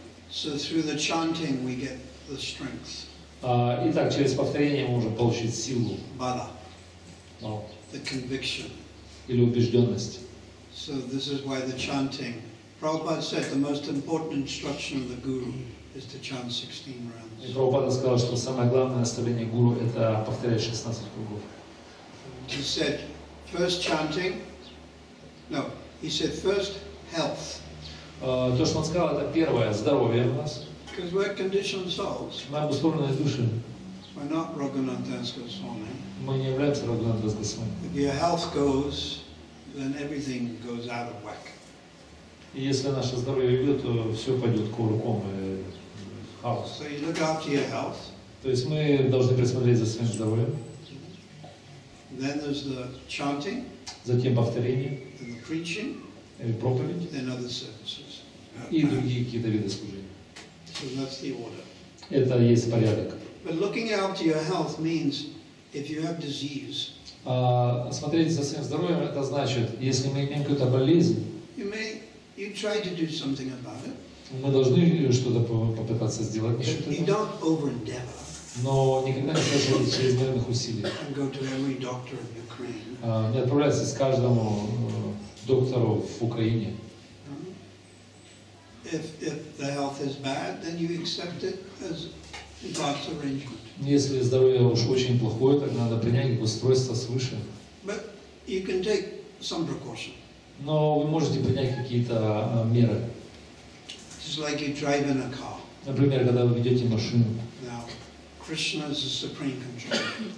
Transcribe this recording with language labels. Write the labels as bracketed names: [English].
[English] So through the chanting we get the strength. [Russian] Итак, через повторение мы можем получить силу. Бала. [English] Wow. The conviction. [Russian] Или убежденность. [English] So this is why the chanting. Prabhupada said the most important instruction of the guru is to chant 16 rounds. [Russian] И Прабхупада сказал, что самое главное наставление гуру это повторять 16 кругов. [English] He said first chanting. No, he said first health. [Russian] То, что он сказал, это первое здоровье у нас. [English] Because we're conditioned souls. [Russian] Мы обусловленные души. [English] We're not Raghunandhas Goswami. [Russian] Мы не являемся Раганандас Госвами. [English] If your health goes, then everything goes out of whack. [Russian] И если наше здоровье уйдет, то все пойдет кувырком и хаос. [English] So you look after your health. [Russian] То есть мы должны присмотреть за своим здоровьем. [English] Then there's the chanting. [Russian] Затем повторение. [English] And the preaching. [Russian] И проповедь. [English] Then other services. [Russian] И другие какие-то виды служения. [English] So that's the order. [Russian] Это есть порядок. [English] But looking after your health means if you have disease. [Russian] Смотреть за своим здоровьем это значит, если мы имеем какую-то болезнь. [English] You try to do something about it. [Russian] Мы должны что-то попытаться сделать. [English] You don't over-endeavor. [Russian] Но никогда не совершать чрезмерных усилий. [English] And go to every doctor in Ukraine. [Russian] Не отправляться к каждому доктору в Украине. [English] If the health is bad, then you accept it as God's arrangement. [Russian] Если здоровье уж очень плохое, так надо принять как устройство свыше. [English] But you can take some precaution. [Russian] Но вы можете принять какие-то меры. [English] Just like you drive in a car. [Russian] Например, когда вы ведете машину. [English] Now, Krishna is the supreme controller.